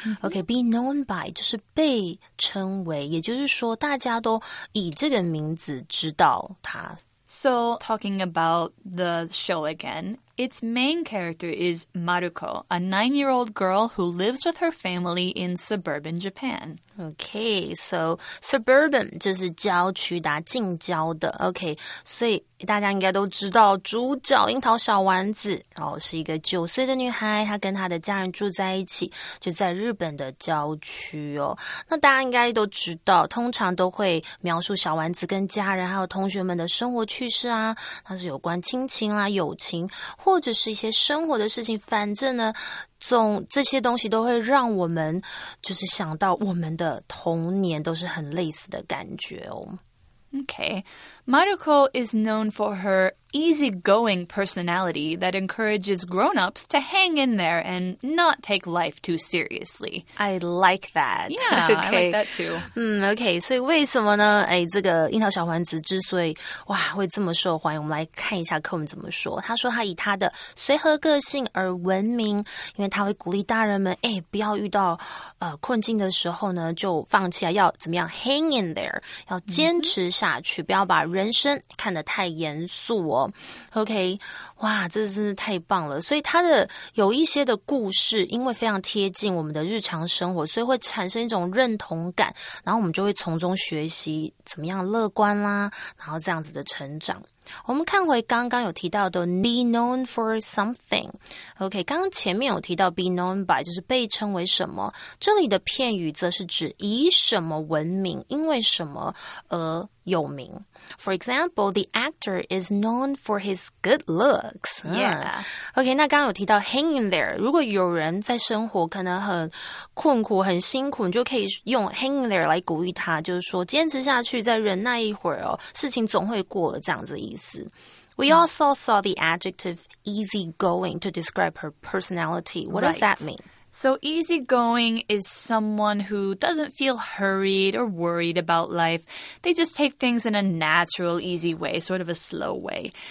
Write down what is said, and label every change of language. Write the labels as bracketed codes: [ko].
[zh] Okay, be known by 就是被称为，也就是说大家都以这个名字知道它。 [en] So, talking about the show again, its main character is Maruko, a 9-year-old girl who lives with her family in suburban Japan. [zh] Okay, so suburban 就是郊区的，近郊的。 Okay, 所以大家应该都知道主角樱桃小丸子，然后是一个九岁的女孩，她跟她的家人住在一起，就在日本的郊区哦。那大家应该都知道，通常都会描述小丸子跟家人还有同学们的生活趣事啊，那是有关亲情啦、友情，或者是一些生活的事情。反正呢，总这些东西都会让我们就是想到我们的童年，都是很类似的感觉哦。 [en] Okay, Maruko is known for her easygoing personality that encourages grown-ups to hang in there and not take life too seriously. I like that. Yeah, okay. I like that too. [zh] Okay, 所以为什么呢？哎，这个樱桃小丸子之所以哇会这么受欢迎，我们来看一下课文怎么说。他说他以他的随和个性而闻名，因为他会鼓励大人们，哎，不要遇到困境的时候呢就放弃啊，要怎么样 hang in there， 要坚持下去，不要把人生看得太严肃。 OK, 哇，这真是太棒了。所以他的有一些的故事，因为非常贴近我们的日常生活，所以会产生一种认同感，然后我们就会从中学习怎么样乐观啦，然后这样子的成长。我们看回刚刚有提到的 be known for something. OK, 刚刚前面有提到 be known by, 就是被称为什么。这里的片语则是指以什么闻名，因为什么而有名。 [en] For example, the actor is known for his good looks. Yeah. [zh] OK, 那刚刚有提到 hang in there. 如果有人在生活可能很困苦、很辛苦，你就可以用 hang in there 来鼓励他，就是说坚持下去，再忍耐一会儿哦，事情总会过了，这样子的意思。 [en] We also saw the adjective easygoing to describe her personality. What does that mean? So easygoing is someone who doesn't feel hurried or worried about life. They just take things in a natural, easy way, sort of a slow way.